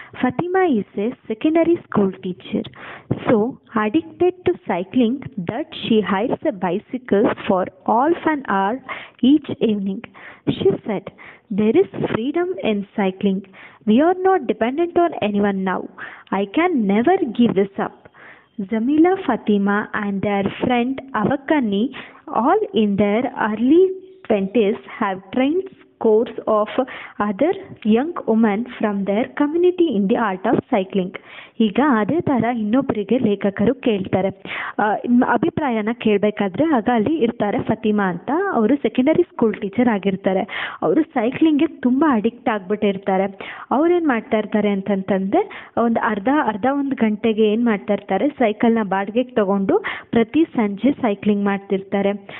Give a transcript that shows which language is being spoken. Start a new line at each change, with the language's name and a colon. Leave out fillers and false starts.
English: Fatima is a secondary school teacher, so addicted to cycling that she hires a bicycle for half an hour each evening. She said, there is freedom in cycling, we are not dependent on any one now, I can never give this up. Jamila, Fatima and their friend Avakani, all in their early 20s, have trained scores of other young women from their community in the art of cycling.
Kannada: ಈಗ ಅದೇ ಥರ ಇನ್ನೊಬ್ಬರಿಗೆ ಲೇಖಕರು ಕೇಳ್ತಾರೆ, ಅಭಿಪ್ರಾಯನ ಕೇಳಬೇಕಾದ್ರೆ ಆಗ ಅಲ್ಲಿ ಇರ್ತಾರೆ ಫತಿಮಾ ಅಂತ, ಅವರು ಸೆಕೆಂಡರಿ ಸ್ಕೂಲ್ ಟೀಚರ್ ಆಗಿರ್ತಾರೆ. ಅವರು ಸೈಕ್ಲಿಂಗ್ಗೆ ತುಂಬ ಅಡಿಕ್ಟ್ ಆಗಿಬಿಟ್ಟಿರ್ತಾರೆ. ಅವ್ರೇನು ಮಾಡ್ತಾ ಇರ್ತಾರೆ ಅಂತಂತಂದರೆ ಒಂದು ಅರ್ಧ ಒಂದು ಗಂಟೆಗೆ ಏನು ಮಾಡ್ತಾ ಇರ್ತಾರೆ, ಸೈಕಲ್ನ ಬಾಡಿಗೆಗೆ ತಗೊಂಡು ಪ್ರತಿ ಸಂಜೆ ಸೈಕ್ಲಿಂಗ್ ಮಾಡ್ತಿರ್ತಾರೆ.